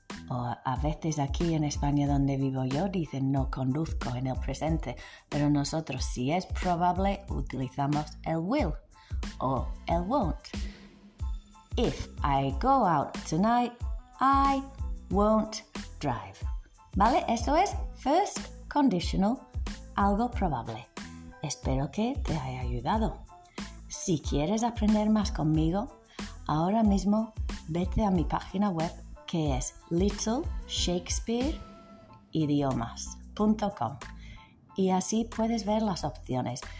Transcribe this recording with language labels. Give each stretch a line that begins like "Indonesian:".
Spanish: O a veces aquí en España donde vivo yo dicen no conduzco en el presente, pero nosotros si es probable utilizamos el will o el won't.
English: If I go out tonight, I won't drive.
Spanish: ¿Vale? Eso es first conditional, algo probable. Espero que te haya ayudado. Si quieres aprender más conmigo, ahora mismo vete a mi página web que es littleshakespeareidiomas.com y así puedes ver las opciones.